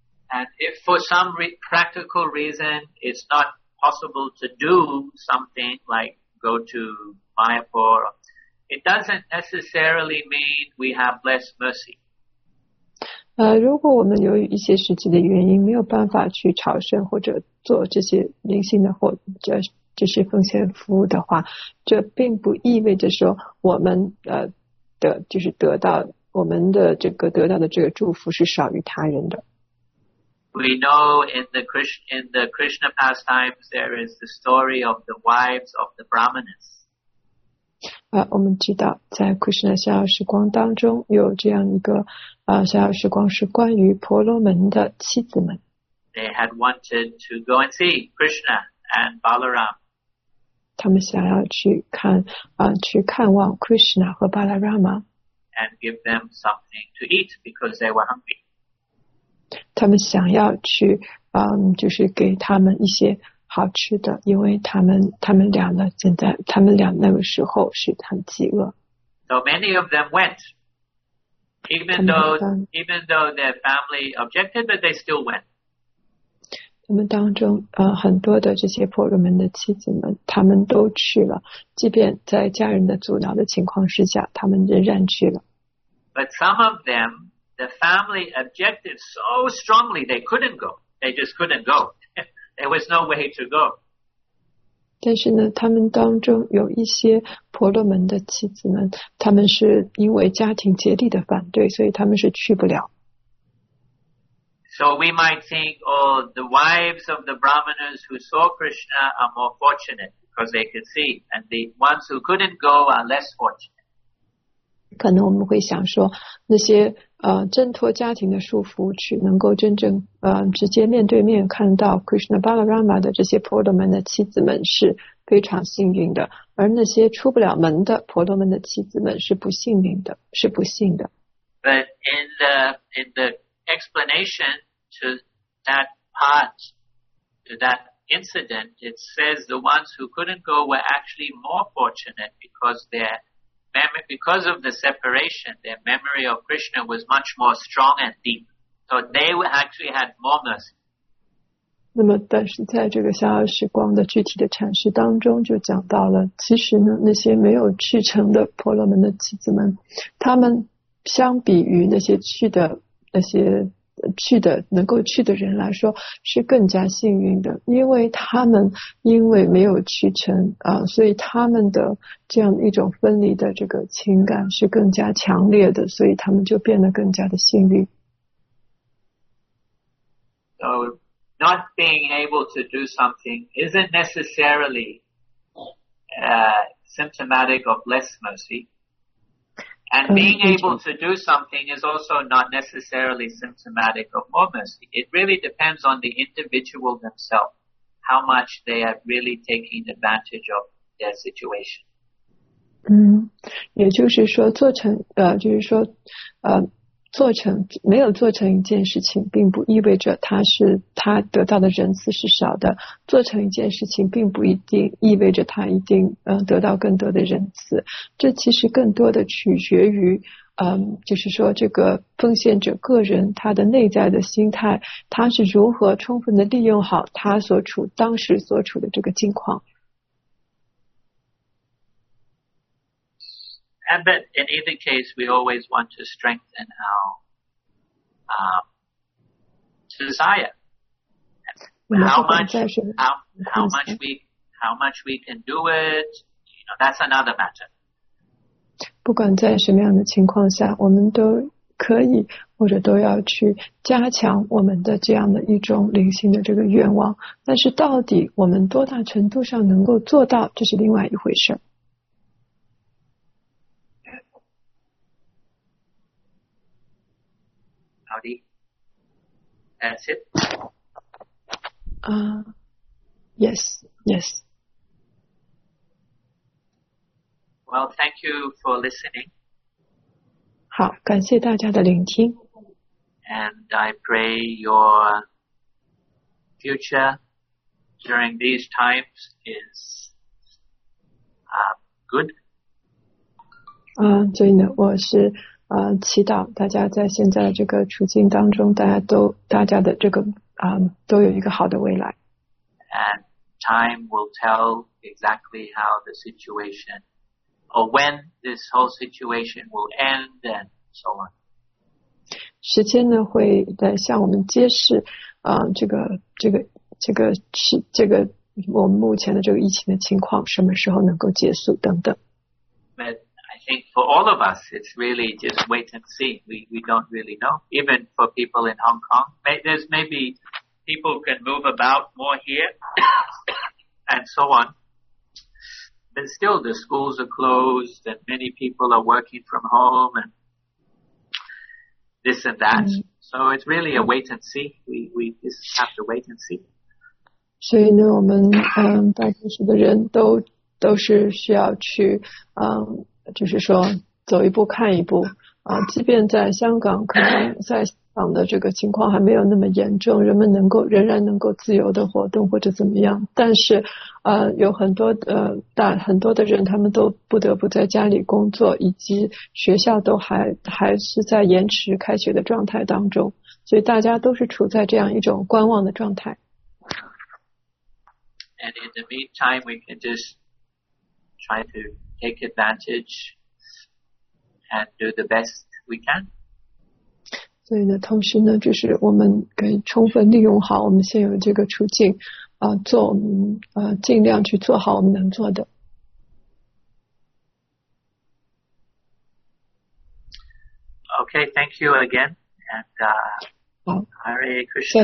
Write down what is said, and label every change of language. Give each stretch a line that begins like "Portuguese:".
English: And if for some practical reason it's not possible to do something like go to Mayapur, it doesn't necessarily mean we have less mercy.
Chinese: 如果我们由于一些实际的原因没有办法去朝圣或者做这些灵性的或者这些奉献服务的话，这并不意味着说我们的就是得到我们的这个得到的这个祝福是少于他人的。
English: We know in the Krishna pastimes there is the story of the wives of the Brahmanas.
Chinese: 我们知道在 Krishna 逍遥时光当中有这样一个逍遥时光是关于婆罗门的妻子们。
English: They had wanted to go and see Krishna and Balaram.
Chinese: 他们想要去看去看望 Krishna 和 Balarama.
English: And give them something to eat because they were hungry.
Chinese: 他们想要去就是给他们一些好吃的，因为他们俩那个时候是很饥饿。
English: So many of them went. Even though their family objected, but they still went.
Chinese: 我们当中很多的这些婆罗门的妻子们他们都去了，即便在家人的阻挠的情况之下他们仍然去了。
English: But some of them, the family objected so strongly they couldn't go. They just couldn't go. There was no way to go.
Chinese: 但是呢他们当中有一些婆罗门的妻子们他们是因为家庭竭力的反对所以他们是去不了。
English: So we might think, oh, the wives of the Brahmanas who saw Krishna are more fortunate because they could see, and the ones who couldn't go are less fortunate.
Chinese: 可能我们会想说，那些挣脱家庭的束缚去能够真正直接面对面看到 Krishna Balarama 的这些婆罗门的妻子们是非常幸运的，而那些出不了门的婆罗门的妻子们是不幸运的，是不幸的。
English: But in the explanation to that part, to that incident, it says the ones who couldn't go were actually more fortunate because of the separation, their memory of Krishna was much more strong and deep. So they actually had more mercy.
Chinese: 那么但是在这个逍遥时光的具体的阐释当中就讲到了，其实呢，那些没有去成的婆罗门的妻子们，他们相比于那些去的那些去的能够去的人来说是更加幸运的，因为他们因为没有去成所以他们的这样一种分离的这个情感是更加强烈的，所以他们就变得更加的幸运。
English: So not being able to do something isn't necessarily symptomatic of less mercy. And being able to do something is also not necessarily symptomatic of more mercy. It really depends on the individual themselves, how much they are really taking advantage of their situation.
Chinese: 也就是说做成就是说做成没有做成一件事情并不意味着他得到的仁慈是少的，做成一件事情并不一定意味着他一定得到更多的仁慈，这其实更多的取决于就是说这个奉献者个人他的内在的心态，他是如何充分的利用好他所处当时所处的这个境况。
English: And but in either case, we always want to strengthen our desire. How much we can do it, you know, that's another matter.
Chinese: 不管在什么样的情况下，我们都可以或者都要去加强我们的这样的一种灵性的这个愿望。但是到底我们多大程度上能够做到，这是另外一回事。
English: That's it. Yes, yes. Well, thank you for listening.
Chinese: 好，感谢大家的聆听。
English: And I pray your future during these times is good.
Chinese: 所以呢，我是祈祷大家在现在这个处境当中，大家的这个都有一个好的未来。
English: And time will tell exactly how the situation, or when this whole situation will end, and so on.
Chinese: 时间呢会在向我们揭示，这个我们目前的这个疫情的情况什么时候能够结束等等。
English: But I think for all of us, it's really just wait and see. We don't really know. Even for people in Hong Kong, there's maybe. People can move about more here and so on. But still, the schools are closed and many people are working from home and this and that. So it's really a wait and see. We just have to wait and see.
Chinese: 所以呢，我们大多数的人都是需要去就是说走一步看一步即便在香港可能在港的这个情况还没有那么严重，人们仍然能够自由的活动或者怎么样。但是，有很多很多的人，他们都不得不在家里工作，以及学校都还是在延迟开学的状态当中，所以大家都是处在这样一种观望的状态。
English: And in the meantime, we can just try to take advantage and do the best we can.
Chinese: 所以呢，同时呢，就是我们可以充分利用好我们现有的这个处境，做我们尽量去做好我们能做的。
English: Okay, thank you again, and Hare Krishna.